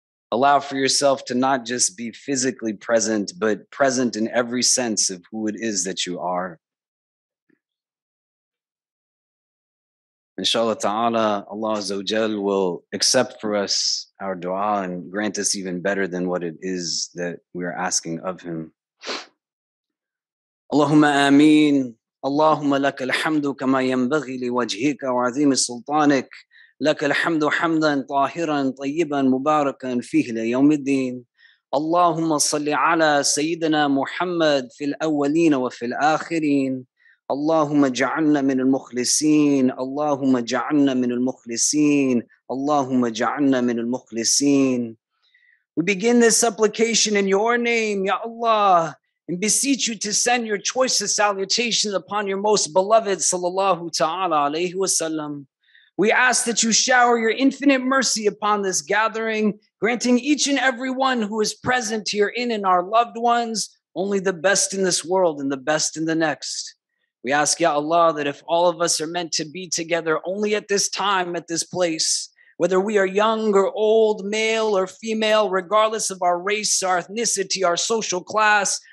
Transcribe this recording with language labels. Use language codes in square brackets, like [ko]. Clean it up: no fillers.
[en] Allow for yourself to not just be physically present, but present in every sense of who it is that you are. Inshallah ta'ala, Allah Azza wa Jal will accept for us our dua and grant us even better than what it is that we are asking of Him. [ar] Allahumma ameen. اللهم لك الحمد كما ينبغي لوجهك وعظيم سلطانك لك الحمد حمدا طاهرا طيبا مباركا فيه ليوم الدين اللهم صل على سيدنا محمد في الأولين وفي الآخرين اللهم اجعلنا من المخلصين اللهم اجعلنا من المخلصين اللهم اجعلنا من المخلصين [en] We begin this supplication in your name, Ya Allah, and beseech you to send your choicest salutations upon your most beloved, sallallahu ta'ala alayhi wasallam. We ask that you shower your infinite mercy upon this gathering, granting each and every one who is present here in and our loved ones, only the best in this world and the best in the next. We ask, Ya Allah, that if all of us are meant to be together only at this time, at this place, whether we are young or old, male or female, regardless of our race, our ethnicity, our social class,